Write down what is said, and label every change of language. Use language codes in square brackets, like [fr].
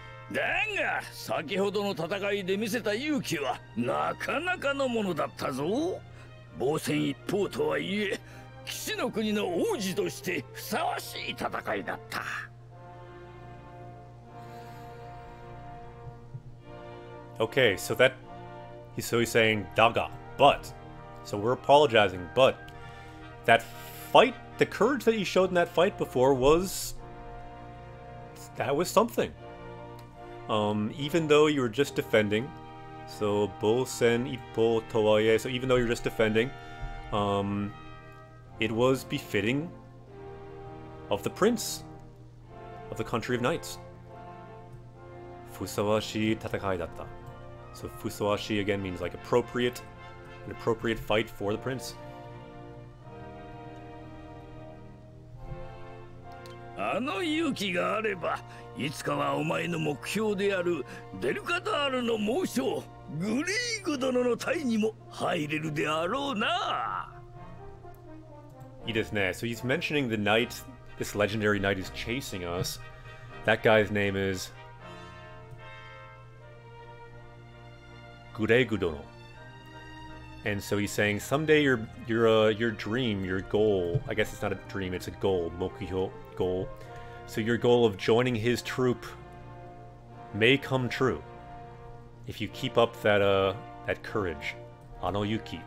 [ja] だが、先ほどの戦いで見せた勇気はなかなかのものだったぞ。防戦一方とはいえ、騎士の国の王子としてふさわしい戦いだった。 [en] Okay, so that he's saying daga, but so we're apologizing, but that fight, the courage that you showed in that fight before was that was something. Even though you were just defending, so [ja] bosen ippo toaye, [en] so even though you're just defending, it was befitting of the prince of the country of knights. [ja] Fusawashi tatakai datta. [en] So fusawashi again means like appropriate, an appropriate fight for the prince. [ja] あの勇気があれば、いつかはお前の目標であるデルカダールの猛将グリーグ殿の隊にも入れるであろうな。いいですね。 [en] So he's mentioning the knight, this legendary knight who's chasing us. That guy's name is グレイグ殿. And so he's saying someday your dream, your goal. I guess it's not a dream; it's a goal, 目標, goal. So your goal of joining his troop may come true if you keep up that that courage, [ja] あの勇気.